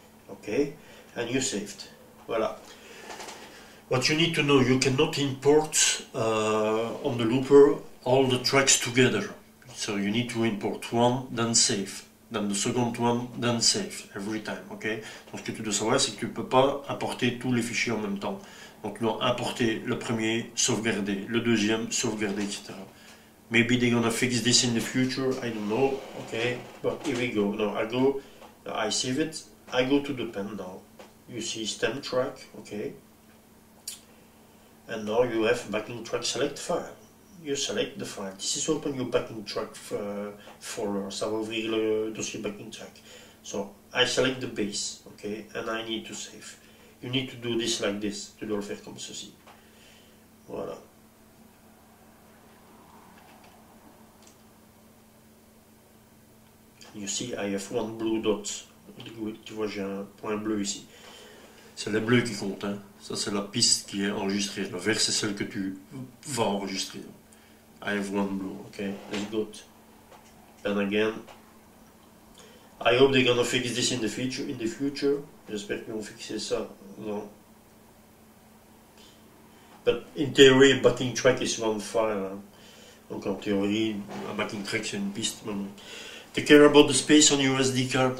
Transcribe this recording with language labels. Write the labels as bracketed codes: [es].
[en] Okay, and you saved. Voilà. What you need to know, you cannot import on the looper all the tracks together. So you need to import one, then save. Then the second one, then save, every time, ok? [fr] Donc ce que tu dois savoir, c'est que tu ne peux pas importer tous les fichiers en même temps. Donc tu dois importer le premier, sauvegarder, le deuxième, sauvegarder, etc. [en] Maybe they're gonna fix this in the future, I don't know, ok? But here we go, now I go, I save it, I go to the pen now. You see stem track, ok? And now you have backing track select file. You select the file. This is open your backing track folder. [fr] Ça va ouvrir le dossier backing track. [en] So I select the bass, okay, and I need to save. You need to do this like this. [fr] Tu dois le faire comme ceci. Voilà. [en] You see, I have one blue dot. [fr] Tu vois, j'ai un point bleu ici. C'est le bleu qui compte, hein. Ça, c'est la piste qui est enregistrée. Le vert, c'est celle que tu vas enregistrer. [en] I have one blue, okay, let's go. And again, I hope they're gonna fix this in the future. [fr] J'espère qu'ils vont fixer ça. Non. [en] But in theory, a backing track is one file. Hein. [fr] Donc en théorie, un backing track c'est une piste. Mais non. [en] Take care about the space on your SD card.